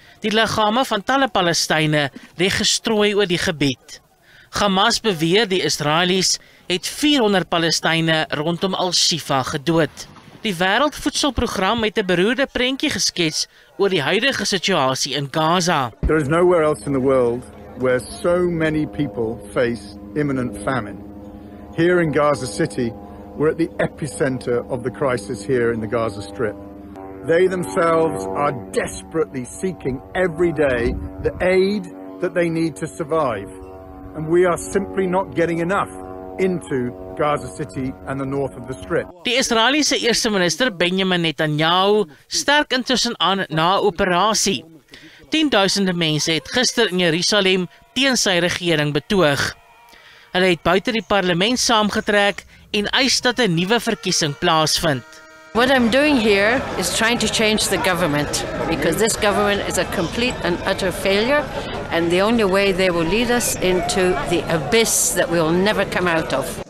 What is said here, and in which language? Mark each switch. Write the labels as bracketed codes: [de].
[af] Die liggame van talle Palestynë lê gestrooi oor die gebied. Hamas beweer die Israelies het 400 Palestynë rondom Al-Shifa gedood. Die Wêreldvoedselprogram het 'n beroerde prentjie geskets oor die huidige situasie in Gaza. [en] There is nowhere else in the world where so many people face imminent famine. Here in Gaza City, we're at the epicenter of the crisis here in the Gaza Strip. They themselves are desperately seeking every day the aid that they need to survive. And we are simply not getting enough into Gaza City and the north of the Strip. [af] Die Israeliese eerste minister Benjamin Netanyahu sterk intussen aan na operasie. Tienduisende mense het gister in Jerusalem teen sy regering betoog. Hulle het buite die parlement saamgetrek en eis dat 'n nuwe verkiesing plaasvind. [en] What I'm doing here is trying to change the government because this government is a complete and utter failure and the only way they will lead us into the abyss that we will never come out of.